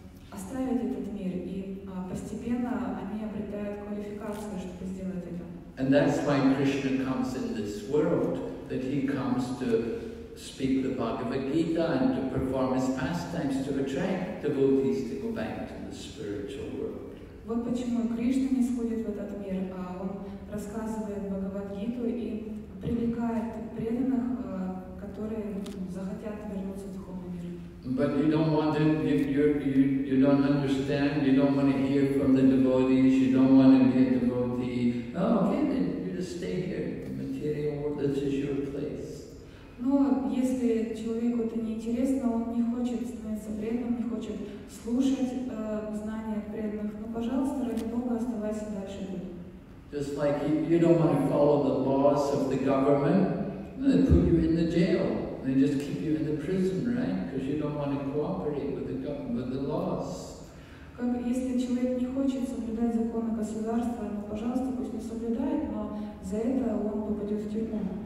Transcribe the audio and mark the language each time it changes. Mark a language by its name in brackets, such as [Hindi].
[Russian] оставить этот мир, и постепенно они обретают квалификацию, чтобы сделать это. [English] And that's why Krishna comes in this world, that he comes to speak the Bhagavad Gita and to perform his pastimes to attract devotees to go back to the spiritual world. [Russian] Вот почему Кришна не сходит в этот мир, а он рассказывает Бхагавад-гиту и привлекает преданных, которые захотят вернуться в духовный мир. [English] But you don't want to, you don't understand, you don't want to hear from the devotees, you don't want to be a devotee. Oh, okay, then you just stay here, the material world, this is your place. [Russian] Но если человеку это не интересно, он не хочет становиться преданным, не хочет слушать знания преданных, но, пожалуйста, ради Бога, оставайся дальше. [English] Just like you don't want to follow the laws of the government, they put you in the jail. They just keep you in the prison, right? Because you don't want to cooperate with the government, with the laws. [Russian] Как если человек не хочет соблюдать законы государства, но, пожалуйста, пусть не соблюдает, но за это он попадет в тюрьму.